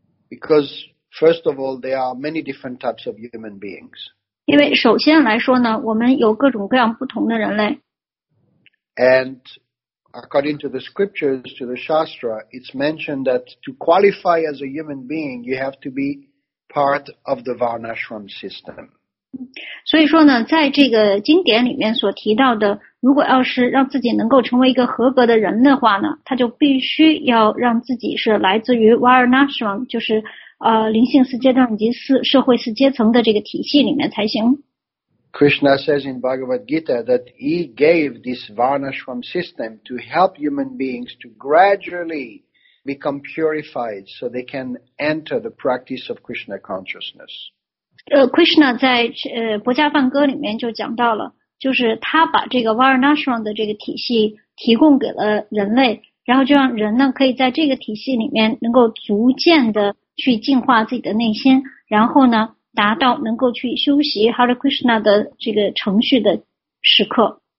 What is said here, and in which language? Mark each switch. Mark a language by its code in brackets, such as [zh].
[en] Because first of all, there are many different types of human beings. [zh] 因为首先来说呢，我们有各种各样不同的人类。 [en] And according to the scriptures, to the Shastra, it's mentioned that to qualify as a human being, you have to be part of the Varnashram system. [zh] 所以说呢，在这个经典里面所提到的，如果要是让自己能够成为一个合格的人的话呢，他就必须要让自己是来自于 Varnashram, 就是灵性四阶段以及社会四阶层的这个体系里面才行。 [en] Krishna says in Bhagavad Gita that he gave this Varnashram system to help human beings to gradually become purified so they can enter the practice of Krishna consciousness. [zh] Krishna 在薄伽梵歌里面就讲到了，就是他把这个 Varnashram 的这个体系提供给了人类，然后就让人呢可以在这个体系里面能够逐渐的去净化自己的内心，然后呢达到能够去修习 Hare Krishna 的这个程序的时刻。